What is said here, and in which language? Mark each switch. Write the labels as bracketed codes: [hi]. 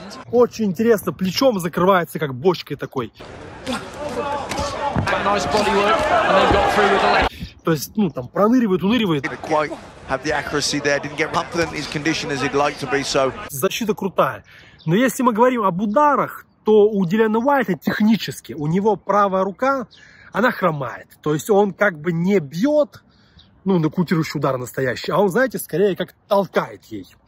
[ru] Очень интересно, плечом закрывается, как бочкой такой. [en] nice bodywork and then got through with the leg. [ru] То есть, ну, там проныривает, уныривает. [en] Didn't quite have the accuracy there. Didn't get confident in his condition as he'd like to be. So. [ru] Защита крутая. Но если мы говорим об ударах, то у Дилана Уайта технически у него правая рука, она хромает. То есть он как бы не бьет, ну, нокаутирующий удар настоящий, а он, знаете, скорее как толкает ей.